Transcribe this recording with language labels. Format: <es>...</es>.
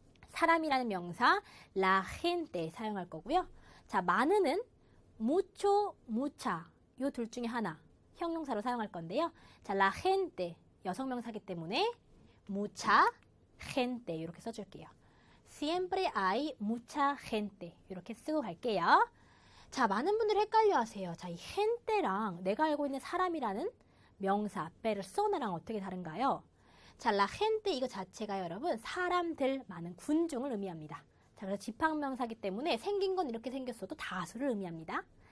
<ko>사람이라는 명사 la gente 사용할 거고요. 자, 많은은 mucho, mucha 요 둘 중에 하나 형용사로 사용할 건데요. 자, la gente 여성 명사기 때문에</ko> <es>mucha gente</es> <ko>이렇게 써줄게요.</ko> <es>siempre hay mucha gente</es> <ko>이렇게 쓰고 갈게요. 자, 많은 분들 헷갈려 하세요. 자, 이 gente랑 내가 알고 있는 사람이라는 명사, persona랑 어떻게 다른가요? 자, la gente 이거 자체가 여러분, 사람들, 많은 군중을 의미합니다. 자, 그래서 지팡명사기 때문에 생긴 건 이렇게 생겼어도 다수를 의미합니다.</ko>